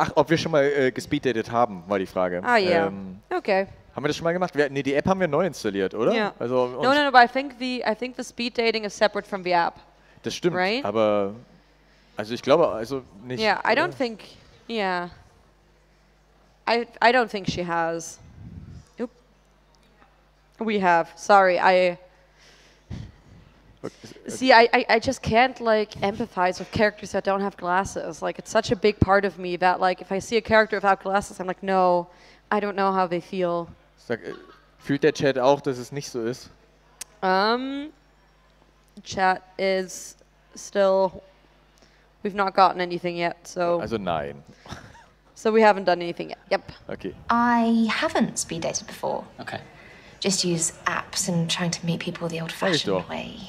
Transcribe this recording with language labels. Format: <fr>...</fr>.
<de>Ach, ob wir schon mal gespeeddated haben, war die Frage.</de> <en>Ah, yeah. Okay.</en> <de>Haben wir das schon mal gemacht? Nee, die App haben wir neu installiert, oder?</de> <en>Yeah. Also no, but I think the speed dating is separate from the app.</en> <de>Das stimmt,</de> <en>right?</en> <de>Aber also ich glaube, also nicht.</de> <en>Yeah, I don't think, yeah. I don't think she has. Oop. We have. Sorry, I Okay. See, I just can't like empathize with characters that don't have glasses. Like, it's such a big part of me that like if I see a character without glasses, I'm like, no, I don't know how they feel.</en> <de>Sag, fühlt der Chat auch, dass es nicht so ist?</de> <en>Chat is still, we've not gotten anything yet, so.</en> <de>Also nein.</de> <en>So we haven't done anything yet. Yep. Okay. I haven't speed dated before. Okay. Just use apps and trying to meet people the old-fashioned way.</en>